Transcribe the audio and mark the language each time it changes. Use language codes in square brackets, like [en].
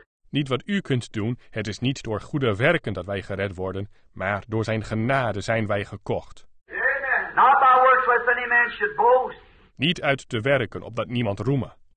[nl] Niet wat u kunt doen, het is niet door goede werken dat wij gered worden, maar door zijn genade zijn wij gekocht. [en] Not by works lest any man should boast. [nl] Niet uit de werken, opdat niemand roeme.